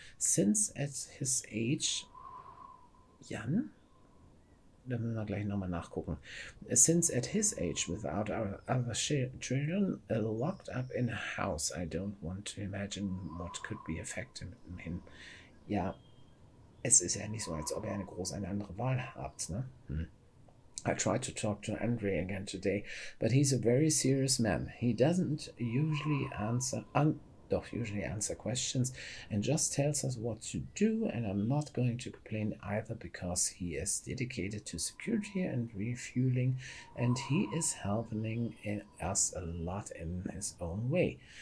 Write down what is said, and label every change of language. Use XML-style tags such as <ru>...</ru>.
<en>Since at his age... Jan?</en> <de>Da müssen wir gleich nochmal nachgucken.</de> <en>Since at his age, without our other children locked up in a house, I don't want to imagine what could be affecting him.</en> <de>Ja. Es ist ja nicht so, als ob ihr eine andere Wahl habt, ne?</de> <en>I tried to talk to Andre again today, but he's a very serious man. He doesn't usually answer questions and just tells us what to do, and I'm not going to complain either because he is dedicated to security and refueling and he is helping us a lot in his own way.</en>